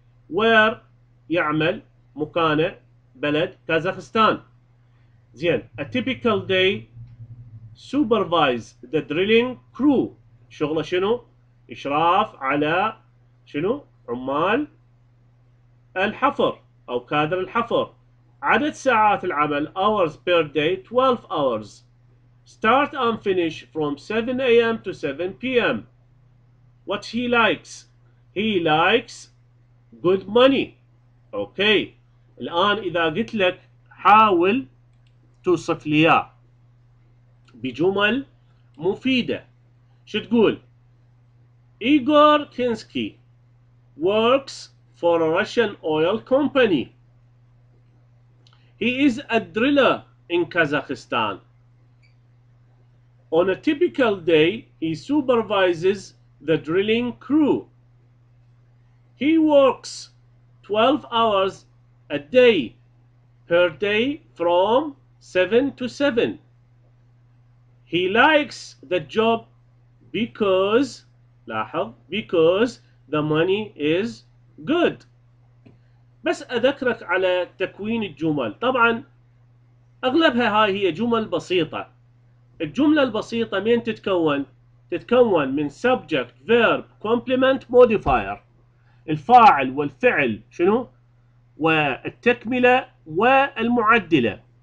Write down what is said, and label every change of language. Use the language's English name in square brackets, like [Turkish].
[Arabic] وير يعمل؟ مكانه بلد كازاخستان. زين، [English] a typical day supervise the drilling crew، [Arabic] شغله شنو؟ اشراف على شنو؟ عمال الحفر او كادر الحفر. عدد ساعات العمل [English] hours per day 12 hours، start and finish from 7 a.m. to 7 p.m. What he likes? He likes good money. Okay. [Arabic] الآن إذا قلت لك حاول توصف لي إياه بجمل مفيدة، شو تقول؟ إيغور كينسكي [English] works for a Russian oil company. He is a driller in Kazakhstan. On a typical day, he supervises the drilling crew. He works 12 hours a day per day from 7 to 7. He likes the job because, [Arabic] لاحظ، [English] because the money is good. [Arabic] بس أذكرك على تكوين الجمل، طبعا أغلبها هاي هي جمل بسيطة. الجملة البسيطة مين تتكون؟ تتكون من [English] subject verb complement modifier، [Arabic] الفاعل والفعل شنو؟ والتكملة والمعدلة.